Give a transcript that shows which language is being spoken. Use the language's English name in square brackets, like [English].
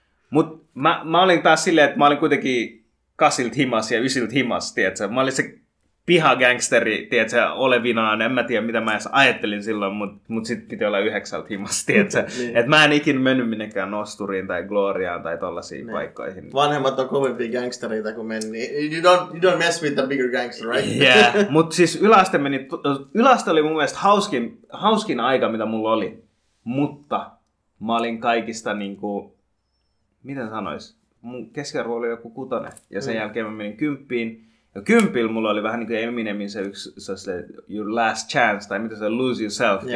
[Finnish] Mutta mä olin taas silleen, että mä olin kuitenkin 8 himas ja 9 himas, tiedätkö? Mä olin se pihagangsteri, tiedätkö, olevinaan. En mä tiedä, mitä mä edes ajattelin silloin, mutta sitten piti olla 9 himas, tiedätkö? Että mä en ikinä mennyt minnekään Nosturiin tai Gloriaan tai tollaisiin paikkoihin. Vanhemmat on kovimpia gangstereita kuin meni. [English] You don't mess with the bigger gangster, right? [Finnish] Yeah, mutta siis yläaste oli mun mielestä hauskin aika, mitä mulla oli. Mutta mä olin kaikista niinku... Miten sanois? Mun keskiarvo oli joku 6. Ja sen jälkeen mä menin 10. Ja 10 mulla oli vähän niin kuin Eminemin se yksi, se on se [English] your last chance, [Finnish] tai mitä se [English] lose yourself.